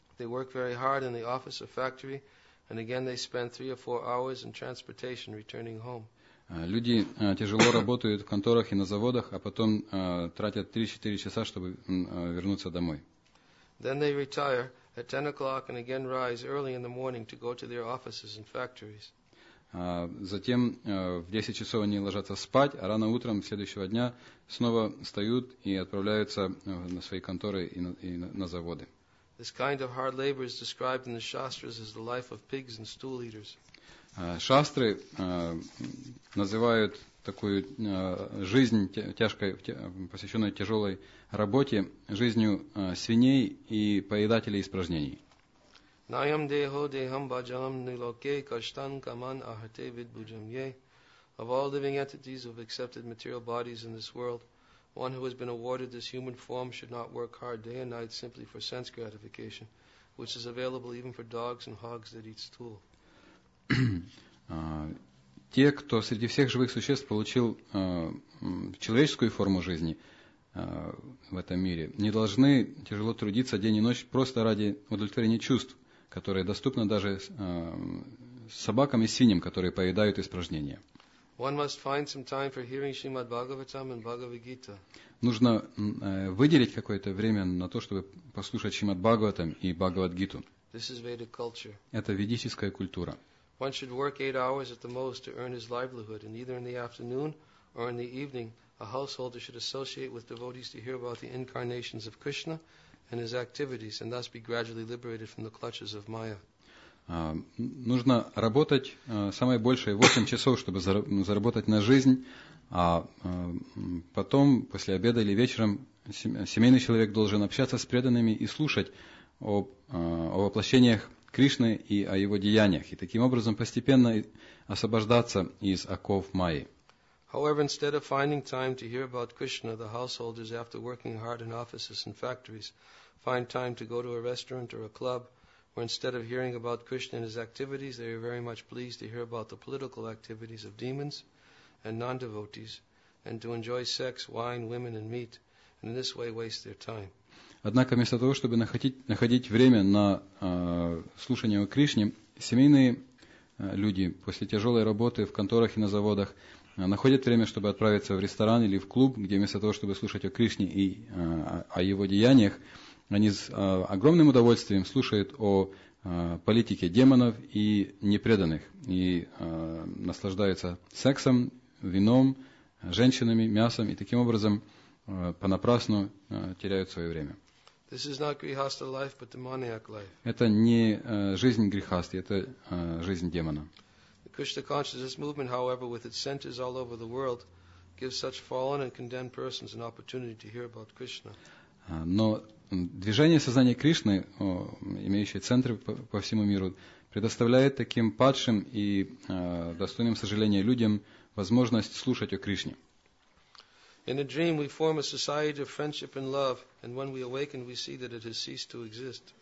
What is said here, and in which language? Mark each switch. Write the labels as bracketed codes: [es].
[en] They work very hard in the office or factory, and again they spend 3 or 4 hours in transportation returning home. [ru] Люди тяжело работают в конторах и на заводах, а потом тратят 3-4 часа, чтобы вернуться домой. [en] Then they retire at 10 o'clock and again rise early in the morning to go to their offices and factories. [ru] Затем в 10 часов они ложатся спать, а рано утром следующего дня снова встают и отправляются на свои конторы и на заводы. [en] This kind of hard labor is described in the Shastras as the life of pigs and stool eaters. [ru] Шастры называют такую жизнь тяжкой, посвященную тяжелой работе, жизнью свиней и поедателей испражнений. [sa] Nayam deho deham bhajam niloke kashtan kaman ahate vidbujam ye. [en] Of all living entities who have accepted material bodies in this world, one who has been awarded this human form should not work hard day and night simply for sense gratification, which is available even for dogs and hogs that eat stool. [ru] Те, кто среди всех живых существ получил человеческую форму жизни в этом мире, не должны тяжело трудиться день и ночь просто ради удовлетворения чувств, которые доступны даже собакам и свиньям, которые поедают испражнения. [en] One must find some time for hearing Shrimad Bhagavatam and Bhagavad Gita. [ru] Нужно выделить какое-то время на то, чтобы послушать Шримад Бхагаватам и Бхагавад Гиту. [en] This is Vedic culture. [ru] Это ведическая культура. [en] One should work 8 hours at the most to earn his livelihood, and either in the afternoon or in the evening, a householder should associate with devotees to hear about the incarnations of Krishna and his activities, and thus be gradually liberated from the clutches of Maya. [ru] Нужно работать самое большее 8 часов, чтобы заработать на жизнь, а потом, после обеда или вечером, семейный человек должен общаться с преданными и слушать о воплощениях Кришны и о его деяниях, и таким образом постепенно освобождаться из оков Майи. [en] However, instead of finding time to hear about Krishna, the householders, after working hard in offices and factories, find time to go to a restaurant or a club, where instead of hearing about Krishna and his activities, they are very much pleased to hear about the political activities of demons and non-devotees, and to enjoy sex, wine, women, and meat, and in this way waste their time. [ru] Однако вместо того, чтобы находить время на слушание о Кришне, семейные люди после тяжелой работы в конторах и на заводах находят время, чтобы отправиться в ресторан или в клуб, где вместо того, чтобы слушать о Кришне и о его деяниях, они с огромным удовольствием слушают о политике демонов и непреданных и наслаждаются сексом, вином, женщинами, мясом и таким образом понапрасну теряют свое время. [en] This is not grihastha life, but demoniac life. [ru] Это не жизнь грихасты, это жизнь демона. [en] The Krishna consciousness movement, however, with its centers all over the world, gives such fallen and condemned persons an opportunity to hear about Krishna. [ru] Но движение сознания Кришны, имеющее центры по всему миру, предоставляет таким падшим и достойным сожаления людям возможность слушать о Кришне. [en] In a dream, we form a society of friendship and love, and when we awaken, we see that it has ceased to exist.